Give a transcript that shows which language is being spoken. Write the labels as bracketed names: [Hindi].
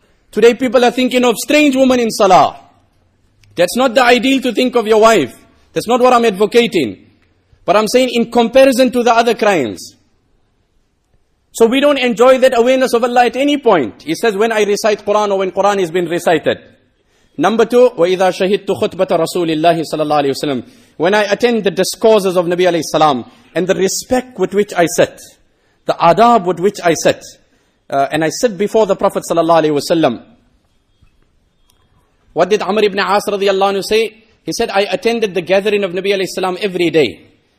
[English] Today people are thinking of strange woman in Salah. That's not the ideal to think of your wife. That's not what I'm advocating. But I'm saying in comparison to the other crimes. So we don't enjoy that awareness of Allah at any point. He says when I recite Quran or when Quran has been recited. Number two, [Arabic] وَإِذَا شَهِدْتُ خُطْبَةَ رَسُولِ اللَّهِ صَلَى اللَّهِ عَلَيْهِ وَسَلَمْ. [English] When I attend the discourses of Nabi alayhi salam and the respect with which I sit, the adab with which I sit, and I sit before the Prophet sallallahu alayhi wasallam. What did Amr ibn As radiallahu anhu say? He said, I attended the gathering of Nabi alayhi salam every day.